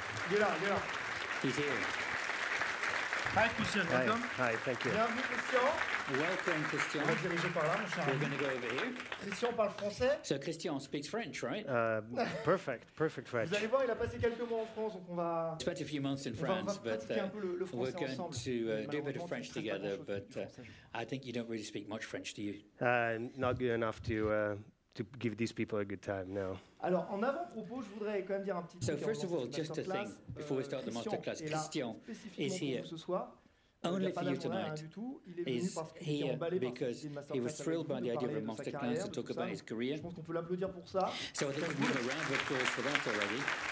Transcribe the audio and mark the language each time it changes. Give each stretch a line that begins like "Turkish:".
English: Get out. He's here. Hi, Christian. Welcome. Hi, thank you.
French: Bienvenue, Christian.
English: Welcome, Christian.
French: On va diriger par là, mon cher.
English: We're going to go over here.
French: Christian parle français.
English: So Christian speaks French, right? Perfect French.
French: Vous allez voir, il a passé quelques mois en France, donc on va.
English: He spent a few months in France, but we're going to do a bit of French together. But I think you don't really speak much French, do you? Not good enough to give these people a good time, no.
French: Alors, en avant-propos, je voudrais quand même dire un petit
English: so first of all, just a thing, before we start the masterclass, Christian is here only for you tonight. He's here because he was thrilled by the idea of a masterclass to talk about his career.
French: Je pense qu'on peut l'applaudir pour ça.
English: So I think we've been around with applause for that already.